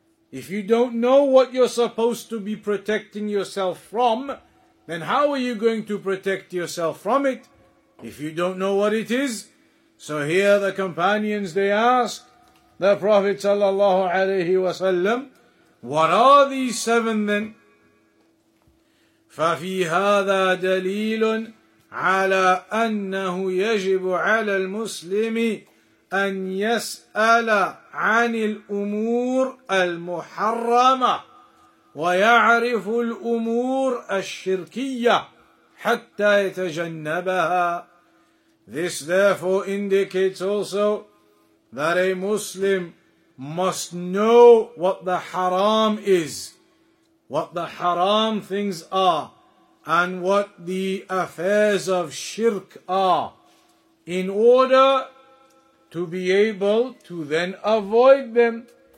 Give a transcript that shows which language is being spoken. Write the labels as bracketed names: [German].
[English] If you don't know what you're supposed to be protecting yourself from, then how are you going to protect yourself from it if you don't know what it is? So here the companions, they ask the Prophet sallallahu alaihi wasallam, what are these seven then? [Arabic] ففي هذا دليل على أنه يجب على المسلم أن يسأل عن الأمور المحرمة ويعرف الأمور الشركية حتى يتجنبها. [English] This therefore indicates also that a Muslim must know what the haram is, what the haram things are, and what the affairs of shirk are, in order to be able to then avoid them.